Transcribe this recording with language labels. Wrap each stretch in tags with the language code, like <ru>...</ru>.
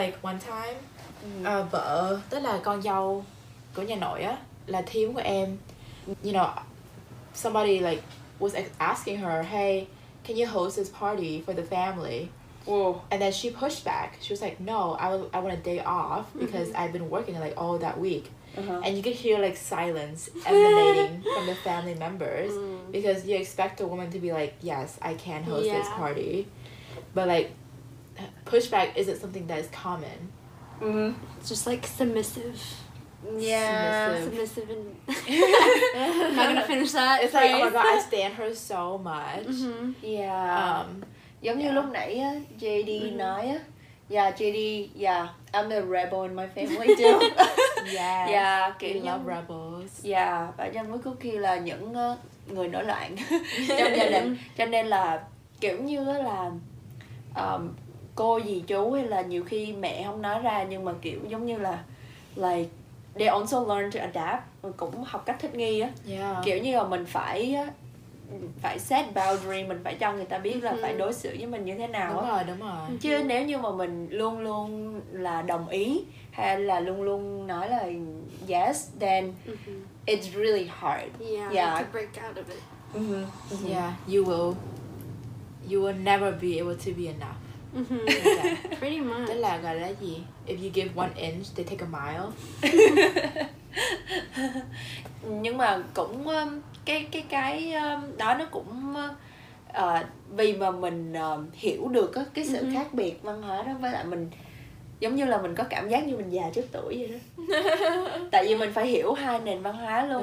<en>like one time,</en> <vi>vợ tức là con dâu của nhà nội á là thím của em.</vi> <en>You know, somebody like was asking her, hey, can you host this party for the family? Whoa. And then she pushed back. She was like, no, I want a day off because mm-hmm. I've been working like all that week. Uh-huh. And you could hear like silence emanating from the family members mm. because you expect a woman to be like, yes, I can host yeah. this party. But like, pushback isn't something that is common. Mm. It's just like submissive. Yeah. Submissive and... Not gonna finish that. It's phrase. Like, oh my god, I stan her so much. Mm-hmm. Yeah. Giống</en> <vi>như lúc nãy á, JD mm-hmm. nói á,</vi> <en>yeah, JD, yeah, I'm the rebel in my family too. Yes, yeah, we love nhưng, rebels.</en> <vi>Yeah, và nhân với Cookie là những người nổi loạn trong gia đình. Cho nên là kiểu như là cô dì chú hay là nhiều khi mẹ không nói ra, nhưng mà kiểu giống như là</vi> <en>like, they also learn to adapt,</en> <vi>cũng học cách thích nghi á.</vi> <en>Yeah.</en> <vi>Kiểu như là mình phải phải set boundary, mình phải cho người ta biết là phải đối xử với mình như thế nào. Đúng rồi, đúng rồi. Chứ nếu như mà mình luôn luôn là đồng ý hay là luôn luôn nói là</vi> <en>yes, then it's really hard. Yeah, yeah. To break out of it. Yeah, you will never be able to be enough. Pretty much.</en> <vi>Tức là gọi là gì?</vi> <en>If you give one inch, they take a mile.</en> <vi>Nhưng mà cũng cái đó nó cũng vì mà mình hiểu được cái sự khác biệt văn hóa đó, với lại mình giống như là mình có cảm giác như mình già trước tuổi vậy đó. Tại vì mình phải hiểu hai nền văn hóa luôn,</vi>